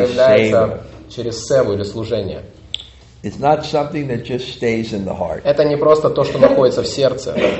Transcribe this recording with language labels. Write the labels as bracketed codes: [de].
[ru] проявляется через севу или служение. [en] It's not something that just stays in the heart. [ru] Это не просто то, что находится в сердце.